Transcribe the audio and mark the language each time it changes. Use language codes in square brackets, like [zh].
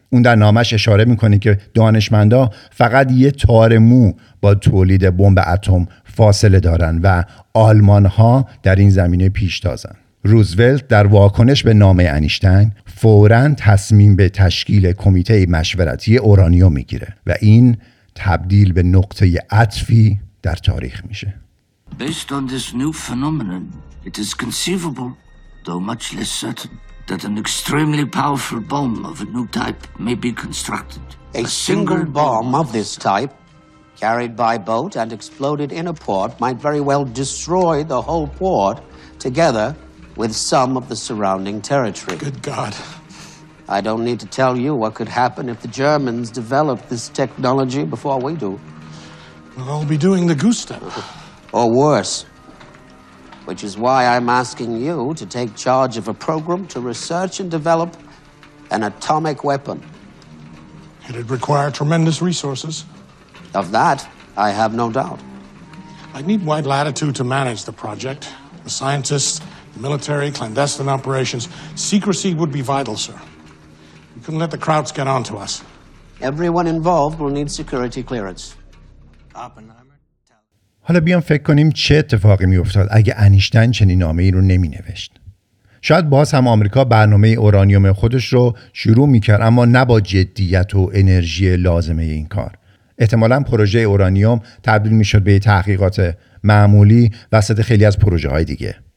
[fa] اون در نامش اشاره میکنه که دانشمندا فقط یه تار مو با تولید بمب اتم فاصله دارن و آلمان‌ها در این زمینه پیشتازن. روزولت در واکنش به نامه انیشتین فوراً تصمیم به تشکیل کمیته مشورتی اورانیوم میگیره و این تبدیل به نقطه عطفی در تاریخ میشه. [en] Based on this new phenomenon, it is conceivable, though much less certain, that an extremely powerful bomb of a new type may be constructed. A single bomb of this type, carried by boat and exploded in a port, might very well destroy the whole port together with some of the surrounding territory. Good God. I don't need to tell you what could happen if the Germans developed this technology before we do. Well, I'll be doing the goose step. Or worse. Which is why I'm asking you to take charge of a program to research and develop an atomic weapon. It'd require tremendous resources. Of that, I have no doubt. I'd need wide latitude to manage the project. The scientists, the military, clandestine operations. Secrecy would be vital, sir. You couldn't let the Krauts get on to us. Everyone involved will need security clearance. [fa] حالا بیام فکر کنیم چه اتفاقی میافتاد اگه انیشتین چنین نامه ای رو نمی نوشت. شاید باز هم آمریکا برنامه اورانیوم خودش رو شروع میکرد، اما نه با جدیت و انرژی لازمه این کار. احتمالاً پروژه اورانیوم تبدیل میشد به تحقیقات معمولی وسط خیلی از پروژه های دیگه.